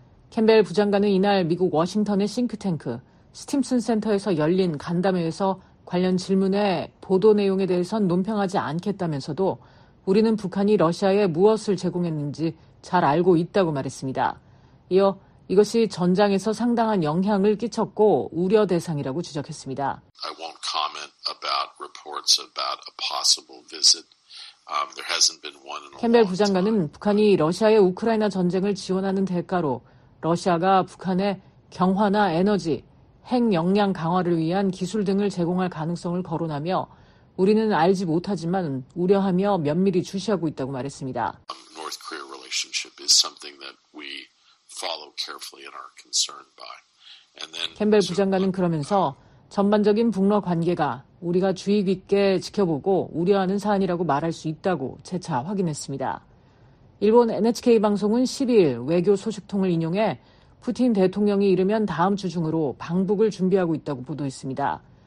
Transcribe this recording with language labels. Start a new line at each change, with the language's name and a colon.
Korean: 캠벨 부장관은 이날 미국 워싱턴의 싱크탱크 스팀슨 센터에서 열린 간담회에서 관련 질문에 보도 내용에 대해서는 논평하지 않겠다면서도 우리는 북한이 러시아에 무엇을 제공했는지 잘 알고 있다고 말했습니다. 이어 이것이 전장에서 상당한 영향을 끼쳤고 우려 대상이라고 지적했습니다.
English: I won't comment about reports about a possible visit. There hasn't been one in a long time.
Korean: 캠벨 부장관은 북한이 러시아의 우크라이나 전쟁을 지원하는 대가로 러시아가 북한에 경화나 에너지, 핵 역량 강화를 위한 기술 등을 제공할 가능성을 거론하며 우리는 알지 못하지만 우려하며 면밀히 주시하고 있다고 말했습니다.
English: North Korea relationship is something that we follow carefully and are concerned by. And then
Korean: 캠벨 부장관은 그러면서 전반적인 북러 관계가 우리가 주의 깊게 지켜보고 우려하는 사안이라고 말할 수 있다고 재차 확인했습니다. 일본 NHK 방송은 12일 외교 소식통을 인용해 푸틴 대통령이 이르면 다음 주 중으로 방북을 준비하고 있다고 보도했습니다.